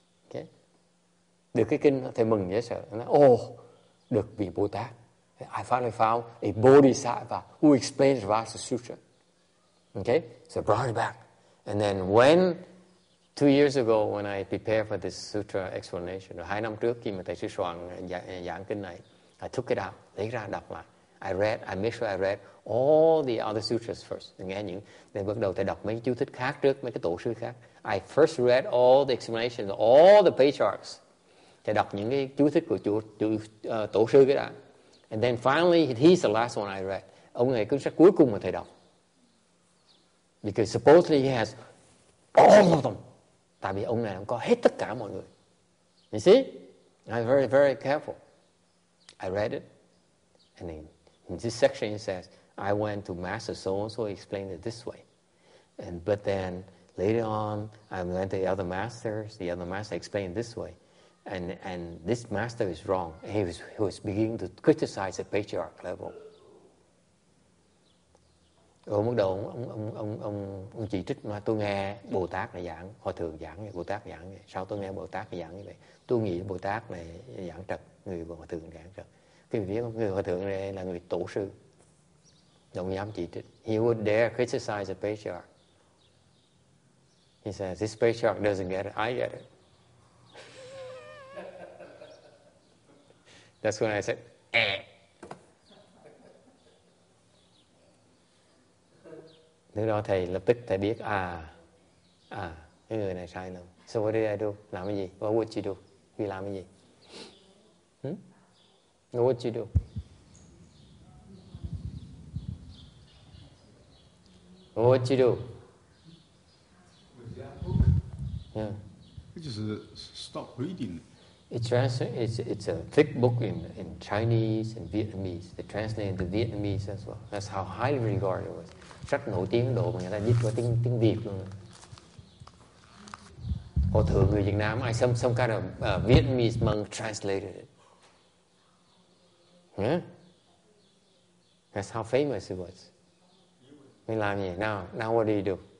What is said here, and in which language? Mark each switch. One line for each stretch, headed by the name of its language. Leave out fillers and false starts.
Vietnamese: Okay. Được cái kinh thầy mừng dễ sợ. Được vị Bồ Tát.
English: I finally found a Bodhisattva who explains Vajra Sutra. Okay, so brought it back. And then when, 2 years ago, when I prepared for this sutra explanation,
Vietnamese: 2 năm trước khi mà thầy sư soạn giảng kinh này,
English: I took it out,
Vietnamese: lấy ra đọc lại.
English: I made sure I read all the other sutras first.
Vietnamese: Nghe những, then bắt đầu thầy đọc mấy chú thích khác trước, mấy cái tổ sư khác.
English: I first read all the explanations, all the patriarchs.
Vietnamese: Thầy đọc những cái chú thích của tổ sư cái đã.
English: And then finally, he's the last one I read.
Vietnamese: Ông này cuốn sách cuối cùng mà thầy đọc.
English: Because supposedly he has all of them.
Vietnamese: Tại vì ông này ông có hết tất cả mọi người.
English: You see? I'm very, very careful. I read it. And then in this section it says, I went to Master so-and-so, he explained it this way. But then later on, I went to the other master explained it this way. And this master is wrong. He was beginning to criticize the patriarch level.
Vietnamese: Rồi bắt đầu ông chỉ trích mà tôi nghe Bồ Tát này giảng, Hòa Thượng giảng, Bồ Tát giảng vậy. Sao tôi nghe Bồ Tát giảng như vậy? Tôi nghĩ Bồ Tát này giảng trật, người Hòa Thượng giảng trật. Cái việc người Hòa Thượng này là người tổ sư. Ông dám chỉ trích.
English: He would dare criticize the patriarch. He says, this patriarch doesn't get it, I get it. That's when I said, eh.
Vietnamese: Lúc đó thầy lập tức thầy biết cái người này sai lầm.
English: So what did I do?
Vietnamese: Làm cái gì?
English: What would you do?
Vietnamese: Vì làm cái gì?
English: What would you do? What would you do? Yeah. I just stop reading. It's a thick book in Chinese and Vietnamese. They translated into Vietnamese as well. That's how highly regarded it was.
Vietnamese: Rất nổi tiếng độ mà người ta dịch qua tiếng tiếng Việt luôn. Họ thường người Việt Nam, ai xem xong cái là
English: Vietnamese monk translated it. That's how famous it was.
Vietnamese: Mình làm gì?
English: Now what do you do?